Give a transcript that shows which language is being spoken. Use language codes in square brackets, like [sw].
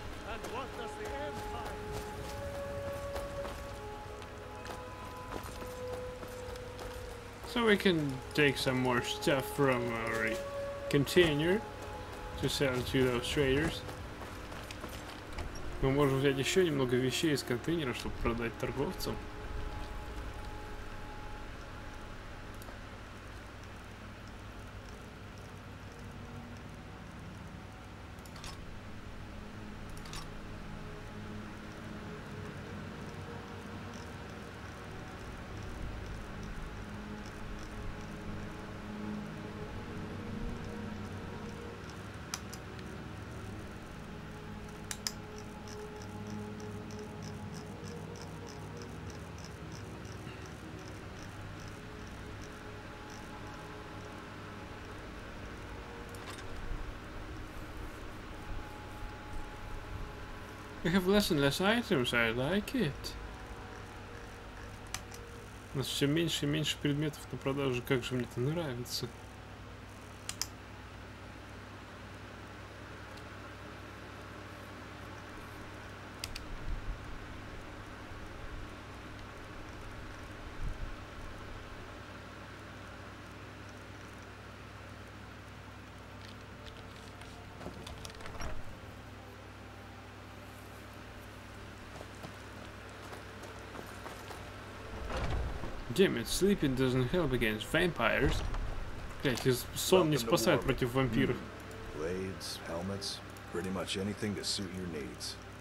[en] And what does the Empire? So we can take some more stuff from our container to sell to those traders. [ru] Мы можем взять еще немного вещей из контейнера, чтобы продать торговцам. [en] We have less and less items, I like it. [ru] У нас все меньше и меньше предметов на продажу, как же мне это нравится. [en] Damn it, sleeping doesn't help against vampires. [ru] Блять, сон не спасает против вампиров. [en] Blades, helmets, pretty much anything to suit your needs.